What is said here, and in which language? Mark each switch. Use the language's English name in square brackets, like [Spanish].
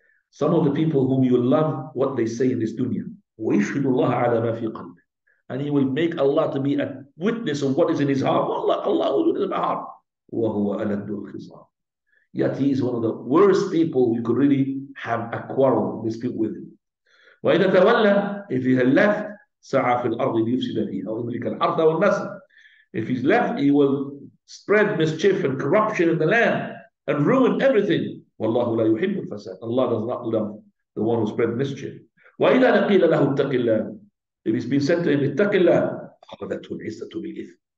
[English] Some of the people whom you love, what they say in this dunya. [Arabic] وَيَشْهَدُ اللَّهَ عَلَى مَا فِي قَلْبِهِ. [English] And he will make Allah to be a witness of what is in his heart. Allah will do it in his heart. [Arabic] وَهُوَ أَلَدُّ الْخِصَامِ. [English] Yet he is one of the worst people you could really have a quarrel, dispute with him. [Arabic] وَإِذَا تَوَلَّى. [English] If he had left, [Arabic] سَعَى فِي الْأَرْضِ لِيُفْسِدَ فِيهَا وَإِمْلِكَ الْأَرْضَ وَالنَّسَى. [English] If he's left, he will spread mischief and corruption in the land and ruin everything. [Arabic] وَاللَّهُ لَا يُحِبُّ الْفَسَادَ. [English] Allah does not love the one who spread mischief. [Arabic] وَإِذَا نَقِيلَ لَهُ اتَّقِ اللَّهَ. [English] If it's been said to him, [Arabic] اتَّقِ اللَّهَ. أَخَذَتْهُ الْعِزَّةُ بِالْإِثْمِ.